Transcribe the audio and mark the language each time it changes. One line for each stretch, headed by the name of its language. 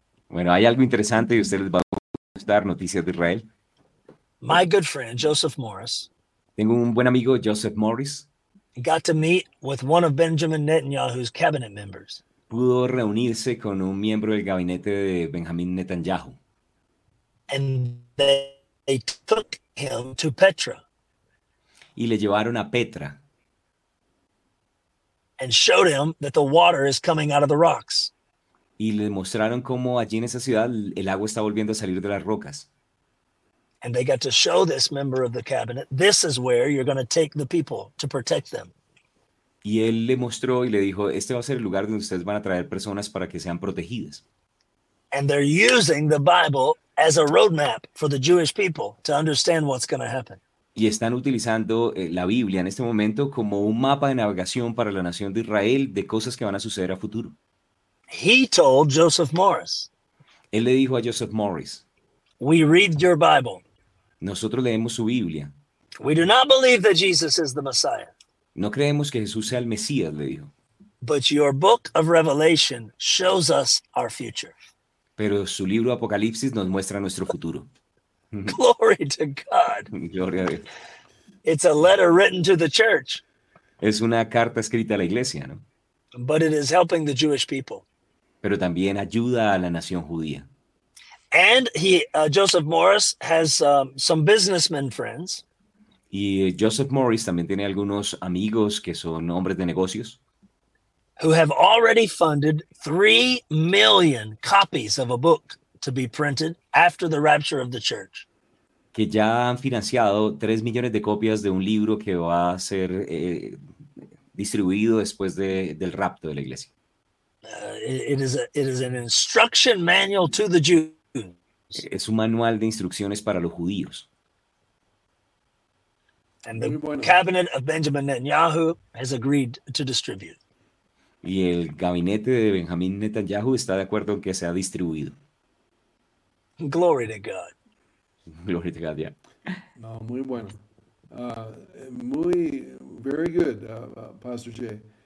Spanish: Bueno, hay algo interesante y ustedes van a gustar noticias de Israel.
English: My good friend, Joseph Morris.
Spanish: Tengo un buen amigo, Joseph Morris.
English: Got to meet with one of Benjamin Netanyahu's cabinet members.
Spanish: Pudo reunirse con un miembro del gabinete de Benjamin Netanyahu.
English: And they took him to Petra.
Spanish: Y le llevaron a Petra.
English: And showed him that the water is coming out of the rocks.
Spanish: Y le mostraron cómo allí en esa ciudad el agua está volviendo a salir de las rocas.
English: And they got to show this member of the cabinet, this is where you're going to take the people to protect them.
Spanish: Y él le mostró y le dijo, este va a ser el lugar donde ustedes van a traer personas para que sean protegidas.
English: And they're using the Bible as a roadmap for the Jewish people to understand what's going to happen.
Spanish: Y están utilizando la Biblia en este momento como un mapa de navegación para la nación de Israel de cosas que van a suceder a futuro.
English: He told Joseph Morris.
Spanish: Él le dijo a Joseph Morris.
English: We read your Bible.
Spanish: Nosotros leemos su Biblia.
English: We do not believe that Jesus is the Messiah.
Spanish: No creemos que Jesús sea el Mesías, le dijo.
English: But your book of Revelation shows us our future.
Spanish: Pero su libro Apocalipsis nos muestra nuestro futuro.
English: Glory to God.
Spanish: Gloria a Dios.
English: It's a letter written to the church.
Spanish: Es una carta escrita a la iglesia, ¿no?
English: But it is helping the Jewish people.
Spanish: Pero también ayuda a la nación judía.
English: And he, Joseph Morris has some businessmen friends.
Spanish: Y Joseph Morris también tiene algunos amigos que son hombres de negocios.
English: Who have already funded 3 million copies of a book to be printed after the rapture of the church.
Spanish: Que ya han financiado 3 millones de copias de un libro que va a ser distribuido después del rapto de la iglesia.
English: It is an instruction manual to the Jews.
Spanish: Es un manual de instrucciones para los judíos.
English: And the cabinet of Benjamin Netanyahu has agreed to distribute.
Spanish: Y el gabinete de Benjamín Netanyahu está de acuerdo en que sea distribuido.
English: Glory to God. Glory to God, yeah.
Spanish: No, muy bueno. Muy,
English: very good,
Spanish: Pastor Jay.